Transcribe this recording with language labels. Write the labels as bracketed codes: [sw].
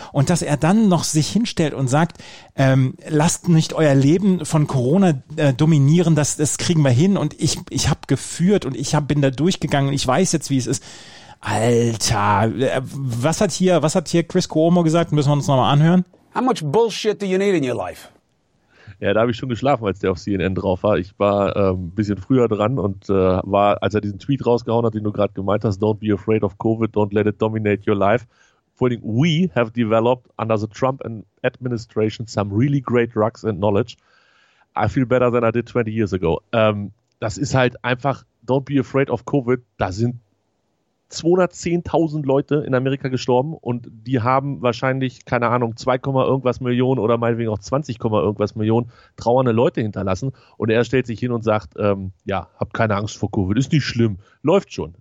[de] Und dass er dann noch sich hinstellt und sagt, lasst nicht euer Leben von Corona dominieren, das kriegen wir hin. Und ich habe geführt und bin da durchgegangen. Ich weiß jetzt, wie es ist. Alter, was hat hier Chris Cuomo gesagt? Müssen wir uns nochmal anhören? [en] How much bullshit do you need in your life? [de] Ja, da habe ich schon geschlafen, als der auf CNN drauf war. Ich war ein bisschen früher dran und war, als er diesen Tweet rausgehauen hat, den du gerade gemeint hast, [en] don't be afraid of COVID, don't let it dominate your life. [de] Vor allem, [en] we have developed under the Trump administration some really great drugs and knowledge. I feel better than I did 20 years ago. [de] Das ist halt einfach, [en] don't be afraid of COVID. [de] Da sind 210.000 Leute in Amerika gestorben und die haben wahrscheinlich, keine Ahnung, 2, irgendwas Millionen oder meinetwegen auch 20, irgendwas Millionen trauernde Leute hinterlassen. Und er stellt sich hin und sagt, ja, habt keine Angst vor Covid, ist nicht schlimm, läuft schon.